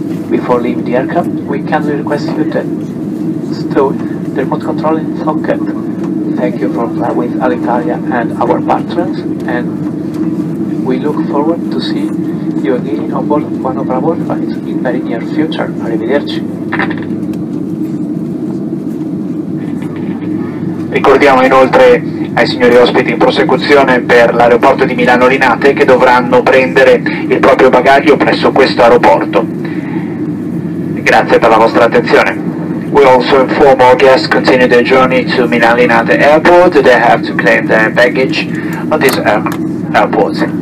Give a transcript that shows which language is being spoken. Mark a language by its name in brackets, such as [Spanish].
[English] Before leaving the aircraft, we kindly request you to stow the remote control in the pocket. Thank you for flying with Alitalia and our partners, and we look forward to see you again on board one of our flights in very near future. [Italian] Arrivederci. Ricordiamo inoltre ai signori ospiti in prosecuzione per l'aeroporto di Milano Linate che dovranno prendere il proprio bagaglio presso questo aeroporto. Grazie per la vostra attenzione. [English] We also inform our guests continue their journey to Milan Linate Airport. They have to claim their baggage on this airport.